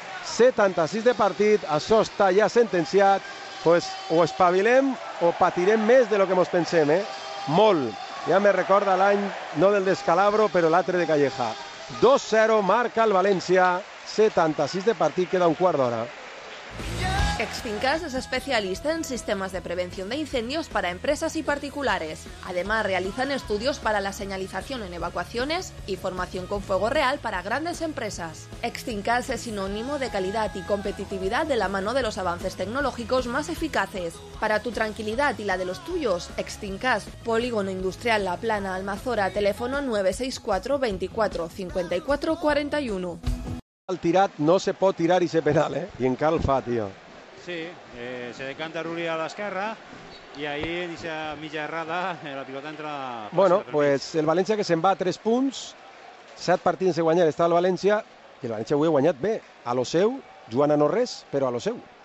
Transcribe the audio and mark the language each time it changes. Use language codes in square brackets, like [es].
[ca] 76 de partit, això està ja sentenciat. Pues, o espavilem o patirem més de lo que mos pensem, eh? Molt. Ja me recorda l'any, no del descalabro, però l'altre de Calleja. 2-0, marca el València, 76 de partit, queda un quart d'hora. [es] Exfincas es especialista en sistemas de prevención de incendios para empresas y particulares. Además, realizan estudios para la señalización en evacuaciones y formación con fuego real para grandes empresas. Exfincas es sinónimo de calidad y competitividad de la mano de los avances tecnológicos más eficaces. Para tu tranquilidad y la de los tuyos, Exfincas, Polígono Industrial La Plana, Almazora, teléfono 964 24 54 41. [ca] El tirat no se pot tirar i ser penal, eh? I encara el fa, tio. Sí, se decanta Rulli a l'esquerra i ahí en aquesta mitja errada la pilota entra... Bueno, pues el València que se'n va a 3 punts, 7 partits de guanyar, està el València, i el València avui ha guanyat bé, a lo seu, jugant a no res, però a lo seu.